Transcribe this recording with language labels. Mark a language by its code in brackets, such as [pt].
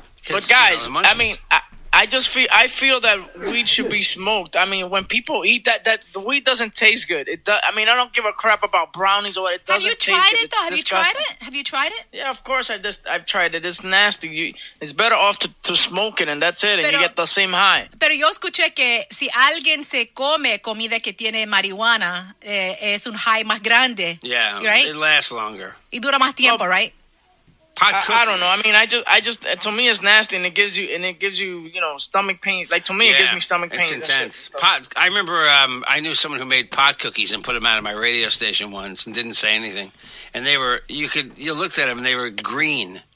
[en] But guys, you know, I feel that weed should be smoked. I mean, when people eat that the weed doesn't taste good. I mean, I don't give a crap about brownies or what. It doesn't taste good. Have you tried it, though? Have you tried it? Yeah, of course. I've tried it. It's nasty. It's better off to smoke it, and that's it, and you get the same high. [es] Pero yo escuché que si alguien se come comida que tiene marihuana, es un high más grande. [en] Yeah, right? It lasts longer. [es] Y dura más tiempo, [en] right? I don't know. I mean, I just to me it's nasty, and it gives you you know, stomach pains. Like, to me, it gives me stomach pains. It's intense. I remember I knew someone who made pot cookies and put them out of my radio station once and didn't say anything. And they were, you looked at them and they were green.